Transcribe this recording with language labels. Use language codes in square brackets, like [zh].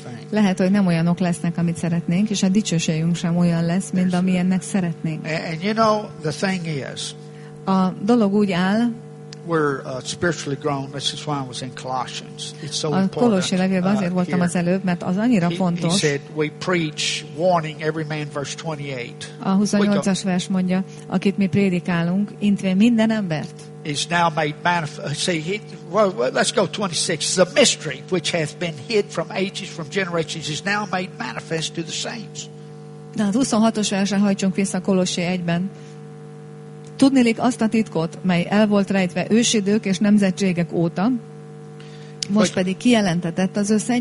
[hu] Lehet, hogy nem olyanok lesznek, amit szeretnénk, és a dicsőségünk sem olyan lesz, mint amilyennek szeretnénk. [en] And you know, the thing is, [hu] a dolog úgy áll, [en] we're spiritually grown. This is why I was in Colossians. It's so important. [hu] A Kolossi levélben azért voltam az előbb, mert az annyira fontos. [en] He said, we preach warning every man, verse 28. [hu] A 28-as vers mondja, akit mi prédikálunk, intve minden embert. [en] Is now made manifest. See, let's go 26. The mystery which hath been hid from ages, from generations, is now made manifest to the saints. [hu] De a 26-os versre hajtsunk vissza Kolossi 1-ben. Tudnélik azt a titkot, mely el volt rejtve ősidők és nemzetségek óta, most pedig kijelentetett az ő